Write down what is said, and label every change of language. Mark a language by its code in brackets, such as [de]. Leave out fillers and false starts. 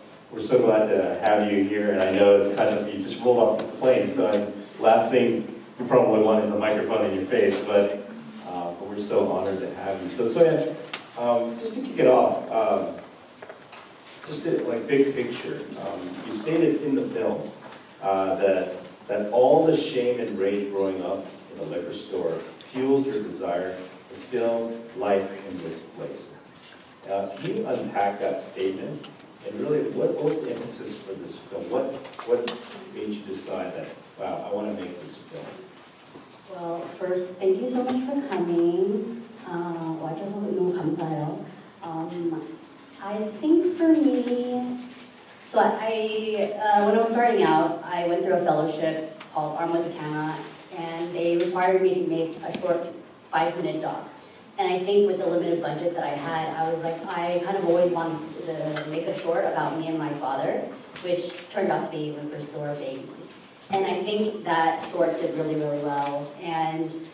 [en] We're so glad to have you here, and I know it's kind of, you just rolled off the plane, so last thing you probably want is a microphone in your face, but we're so honored to have you. So Soyeon, just to kick it off, just to, like, big picture, you stated in the film that all the shame and rage growing up in the liquor store fueled your desire to film life in this place. Now, can you unpack that statement? And really, what was the impetus for this film? What made you decide that, wow, I want to make this film? Well, first, thank you so much for coming. [ko] 와주셔서 너무 감사해요. [en] I think for me, so when I was starting out, I went through a fellowship called Arm with a Camera, and they required me to make a short 5-minute doc. And I think with the limited budget that I had, I was like, I kind of always wanted to make a short about me and my father, which turned out to be Liquor Store Babies. And I think that short did really, really well. And